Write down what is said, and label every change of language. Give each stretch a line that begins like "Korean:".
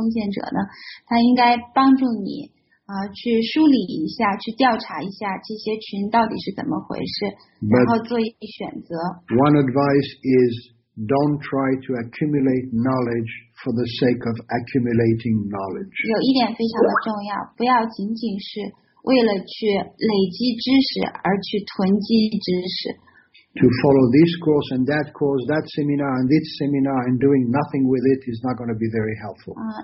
Chinese: 所以呢，去代表你来提问的这个奉献者呢，肯定是比你更年长的这个奉献者呢，他应该帮助你。去梳理一下，去调查一下这些群到底是怎么回事，然后做一些选择。
English: One advice is don't try to accumulate knowledge for the sake of accumulating knowledge.
Chinese: 有一点非常的重要，不要仅仅是为了去累积知识而去囤积知识。
English: To follow this course and that course, that seminar and this seminar, and doing nothing with it is not going to be very helpful.